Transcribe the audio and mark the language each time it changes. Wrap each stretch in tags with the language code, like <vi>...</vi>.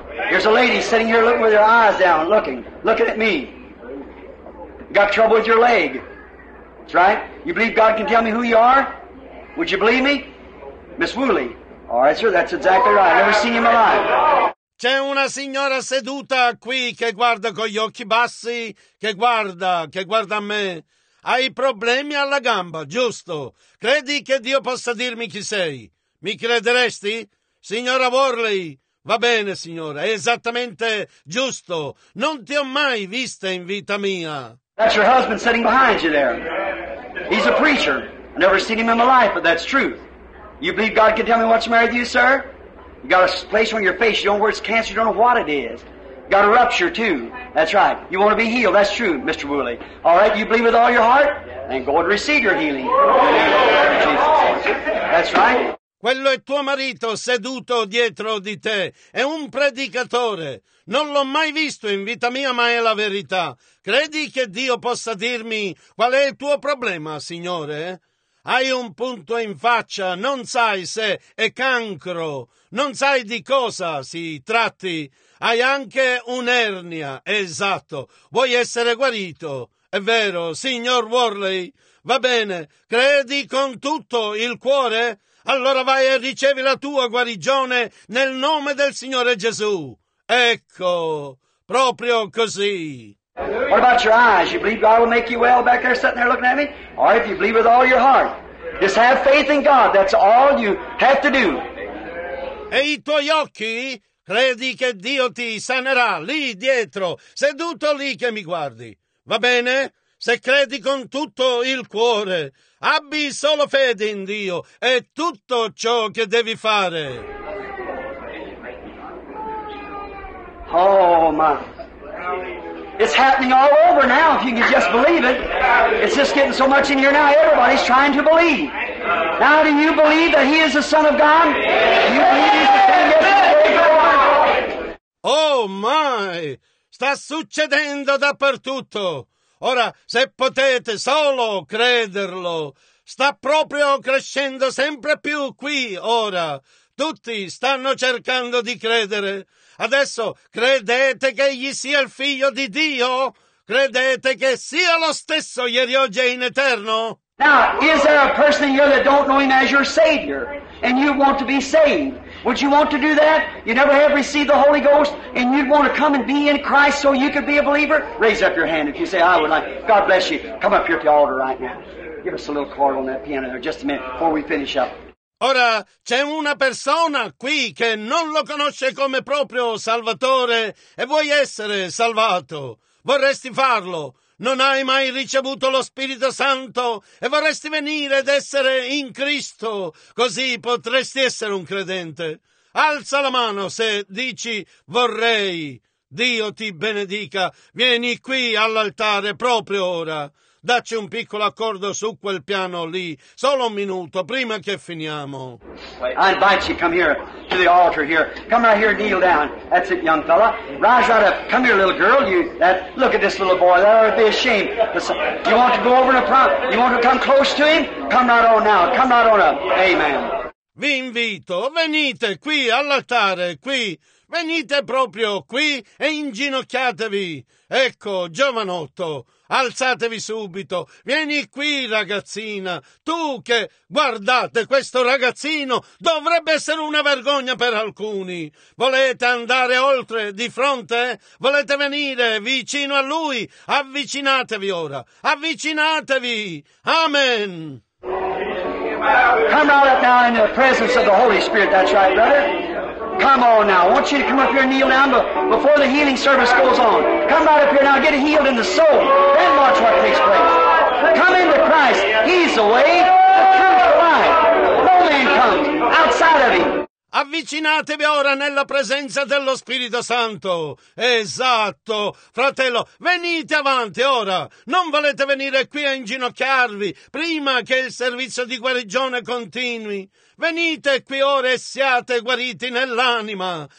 <en>There's a lady sitting here looking with her eyes down, looking at me. Got trouble with your leg. That's right. You believe God can tell me who you are? Would you believe me? Miss Woolley. All right, sir, that's exactly right. I've never seen you in my life.</en> <it>C'è una signora seduta qui che guarda con gli occhi bassi, che guarda a me. Hai problemi alla gamba, giusto? Credi che Dio possa dirmi chi sei? Mi crederesti? Signora Worley. Va bene, signora, è esattamente giusto. Non ti ho mai vista in vita mia.</it> <en>That's your husband sitting behind you there. He's a preacher. I've never seen him in my life, but that's truth. You believe God can tell me what's married to you, sir? You got a place on your face. You don't know where it's cancer. You don't know what it is. You got a rupture, too. That's right. You want to be healed. That's true, Mr. Woolley. All right, you believe with all your heart? Then go and receive your healing. Jesus. That's right.</en> <it>Quello è tuo marito seduto dietro di te. È un predicatore. Non l'ho mai visto in vita mia, ma è la verità. Credi che Dio possa dirmi qual è il tuo problema, Signore? Hai un punto in faccia, non sai se è cancro, non sai di cosa si tratti. Hai anche un'ernia, esatto. Vuoi essere guarito? È vero, signor Worley? Va bene, credi con tutto il cuore? Allora vai e ricevi la tua guarigione nel nome del Signore Gesù. Ecco, proprio così.</it> <en>What about your eyes? You believe God will make you well back there sitting there looking at me? Or if you believe with all your heart, just have faith in God. That's all you have to do.</en> <it>E i tuoi occhi? Credi che Dio ti sanerà lì dietro, seduto lì che mi guardi. Va bene? Se credi con tutto il cuore, abbi solo fede in Dio, è tutto ciò che devi fare.</it> <en>Oh, my. It's happening all over now, if you can just believe it. It's just getting so much in here now, everybody's trying to believe. Now, do you believe that he is the Son of God? Do you believe he's the King of God? Oh, my.</en> <it>Sta succedendo dappertutto. Ora, se potete solo crederlo, sta proprio crescendo sempre più qui, ora. Tutti stanno cercando di credere. Adesso, credete che egli sia il figlio di Dio? Credete che sia lo stesso ieri, oggi e in eterno?</it> <en>Now, is there a person here that don't know him as your Savior, and you want to be saved? Would you want to do that? You never have received the Holy Ghost, and you'd want to come and be in Christ so you could be a believer? Raise up your hand if you say, I would like. God bless you. Come up here to the altar right now. Give us a little card on that piano there just a minute before we finish up.</en> <it>Ora, c'è una persona qui che non lo conosce come proprio Salvatore e vuoi essere salvato. Vorresti farlo. Non hai mai ricevuto lo Spirito Santo e vorresti venire ed essere in Cristo, così potresti essere un credente. Alza la mano se dici vorrei. Dio ti benedica. Vieni qui all'altare proprio ora. Dacci un piccolo accordo su quel piano lì. Solo un minuto prima che finiamo.</it> <en>I invite you to come here to the altar here. Come right here, kneel down. That's it, young fella. Rise right up. Come here, little girl. Look at this little boy. That would be a shame. You want to go over and approach? You want to come close to him? Come right on now. Come right on up. Amen.</en> <it>Vi invito, venite qui all'altare, qui. Venite proprio qui e inginocchiatevi. Ecco, giovanotto, alzatevi subito. Vieni qui, ragazzina. Tu che, guardate, questo ragazzino dovrebbe essere una vergogna per alcuni. Volete andare oltre, di fronte? Volete venire vicino a lui? Avvicinatevi ora. Avvicinatevi. Amen.</it> <en>Come right now in the presence of the Holy Spirit. That's right, brother. Come on now. I want you to come up here and kneel down before the healing service goes on. Come right up here now. Get healed in the soul. Then watch what takes place. Come into Christ. He's the way. Come to life. No man comes outside of him.</en> <it>Avvicinatevi ora nella presenza dello Spirito Santo. Esatto, fratello, venite avanti ora. Non volete venire qui a inginocchiarvi prima che il servizio di guarigione continui. Venite qui ora e siate guariti nell'anima.</it>